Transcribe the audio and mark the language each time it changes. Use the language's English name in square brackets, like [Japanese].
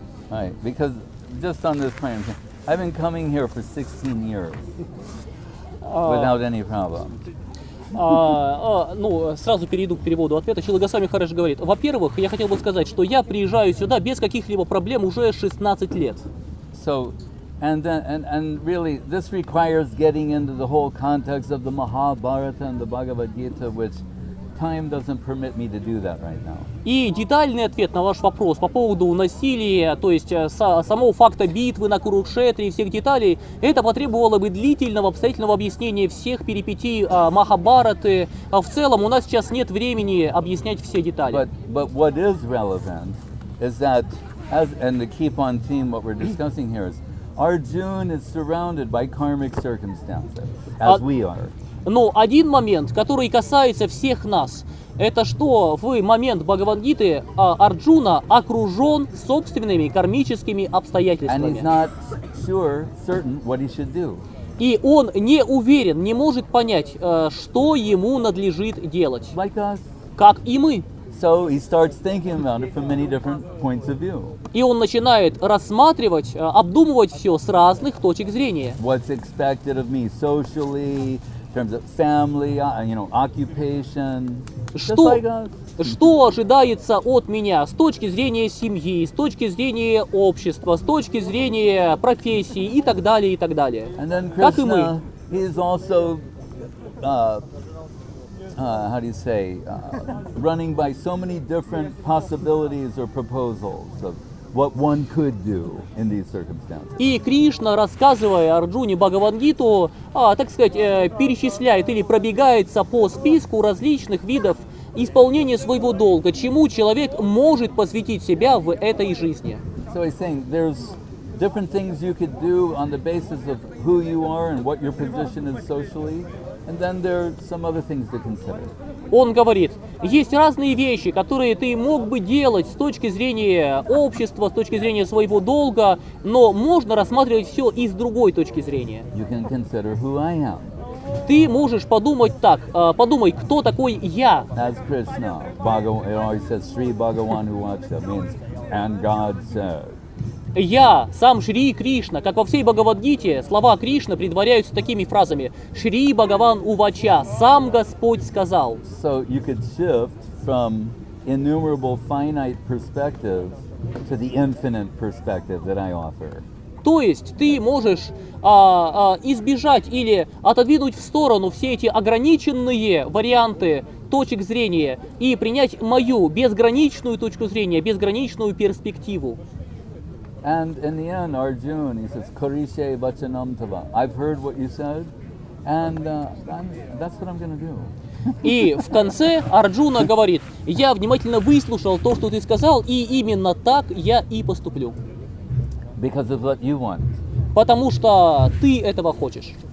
[English] Right, because just on this plane, I've been coming here for 16 years without any problem. [Russian] Ну, сразу перейду к переводу ответа. Шрила Госвами Махарадж говорит: во-первых, я хотел бы сказать, что я приезжаю сюда без каких-либо проблем уже 16 лет. [English] So, and really, this requires getting into the whole context of the Mahabharata and the Bhagavad Gita, which time doesn't permit me to do that right now. [Russian] И детальный ответ на ваш вопрос по поводу насилия, то есть самого факта битвы на Курукшетре и всех деталей, это потребовало бы длительного обстоятельного объяснения всех перипетий Махабхараты. А в целом у нас сейчас нет времени объяснять все детали. [English] But what is relevant is that, and to keep on theme, what we're discussing here is Arjuna is surrounded by karmic circumstances, as we are. [Russian] Но один момент, который касается всех нас, это что в момент Бхагавад-гиты Арджуна окружен собственными кармическими обстоятельствами. И он не уверен, не может понять, что ему надлежит делать, как и мы. [English] So he starts thinking about it from many different points of view. [Russian] И он начинает рассматривать, обдумывать все с разных точек зрения. [English] What's expected of me socially, in terms of family, you know, occupation. [Russian] Что, [English] just like us. [Russian] Что ожидается от меня с точки зрения семьи, с точки зрения общества, с точки зрения профессии и так далее, и так далее. [English] And then Krishna, [Russian] как и мы. [English] He's also, how do you say, running by so many different possibilities or proposals of what one could do in these circumstances. [Russian] И Кришна, рассказывая Арджуне Бхагавад-гиту, так сказать, перечисляет или пробегается по списку различных видов исполнения своего долга, чему человек может посвятить себя в этой жизни. [English] So he's saying there's different things you could do on the basis of who you are and what your position is socially. And then there are some other things to consider. [Russian] Он говорит, есть разные вещи, которые ты мог бы делать с точки зрения общества, с точки зрения своего долга, но можно рассматривать все и с другой точки зрения. [English] You can consider who I am. [Russian] Ты можешь подумать так, подумай, кто такой я. [English] As Krishna, Bhagavan, it always says, Sri Bhagavan who watch that means, and God says. [Russian] Я, сам Шри Кришна, как во всей Бхагавадгите, слова Кришны предваряются такими фразами. Шри Бхагаван Увача, сам Господь сказал. [English] So you could shift from innumerable finite perspectives to the infinite perspective that I offer. [Russian] То есть ты можешь избежать или отодвинуть в сторону все эти ограниченные варианты точек зрения и принять мою безграничную точку зрения, безграничную перспективу. [English] And in the end, Arjuna, he says, [Sanskrit] Karishe Vachanam Tava. [English] I've heard what you said, and that's what I'm going to do. [Russian] И в конце Арджуна говорит, я внимательно выслушал то, что ты сказал, и именно так я и поступлю. [English] Because of what you want. [Russian] Потому что ты этого хочешь.